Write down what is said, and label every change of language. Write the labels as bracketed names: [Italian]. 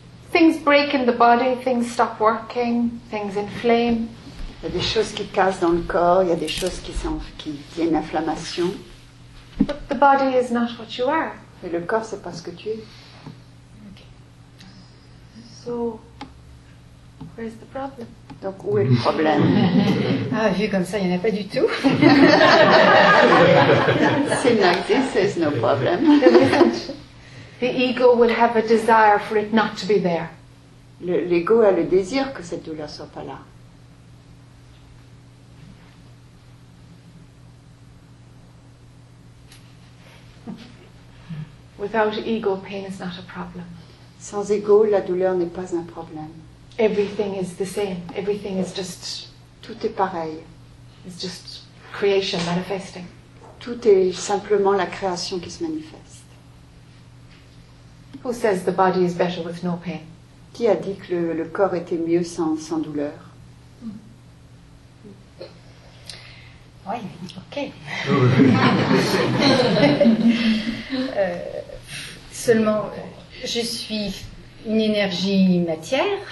[English] Things break in the body, things stop working, things inflame. [French] Il y a des choses qui cassent dans le corps, il y a des choses qui viennent d'inflammation. [English] But the body is not what you are. [French] Et le corps, c'est pas ce que tu es. [English] Okay. So, where's the problem? [French] Donc, où est le problème? Ah, vu comme ça, il n'y en a pas du tout. [English] Seem like this, there's no problem. The ego will have a desire for it not to be there. [French] L'ego a le désir que cette douleur soit pas là. [English] Without ego, pain is not a problem. [French] Sans ego, la douleur n'est pas un problème. [English] Everything is the same. Everything is just. [French] Tout est pareil. [English] It's just creation manifesting. [French] Tout est simplement la création qui se manifeste. [English] Who says the body is better with no pain? [French] Qui a dit que le corps était mieux sans douleur? Oui, ok. seulement, je suis une énergie matière.